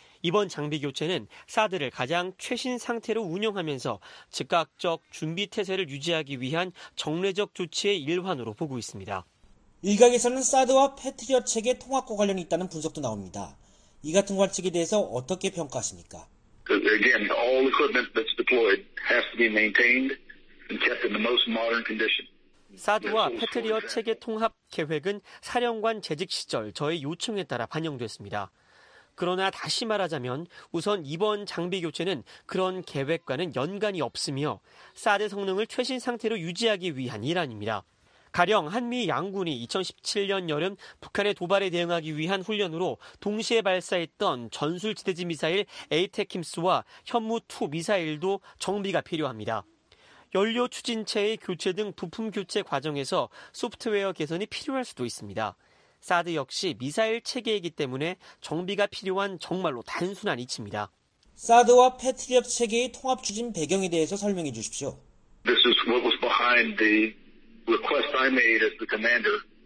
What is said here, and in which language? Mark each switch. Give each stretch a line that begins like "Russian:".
Korean: 이번 장비 교체는 사드를 가장 최신 상태로 운영하면서 즉각적 준비 태세를 유지하기 위한 정례적 조치의 일환으로 보고 있습니다. 일각에서는 사드와 패트리어 체계 통합과 관련이 있다는 분석도 나옵니다. 이 같은 관측에 대해서 어떻게 평가하십니까?
English: Again, all equipment that's deployed has to be maintained and kept in the most modern condition.
Korean: 사드와 패트리어 체계 통합 계획은 사령관 재직 시절 저의 요청에 따라 반영됐습니다. 그러나 다시 말하자면 우선 이번 장비 교체는 그런 계획과는 연관이 없으며 사드 성능을 최신 상태로 유지하기 위한 일환입니다. 가령 한미 양군이 2017년 여름 북한의 도발에 대응하기 위한 훈련으로 동시에 발사했던 전술지대지 미사일 에이테킴스와 현무2 미사일도 정비가 필요합니다. 연료 추진체의 교체 등 부품 교체 과정에서 소프트웨어 개선이 필요할 수도 있습니다. 사드 역시 미사일 체계이기 때문에 정비가 필요한 정말로 단순한 이치입니다. 사드와 패트리어 체계의 통합 추진 배경에 대해서 설명해 주십시오.
English: This is what was behind the request I made as the commander.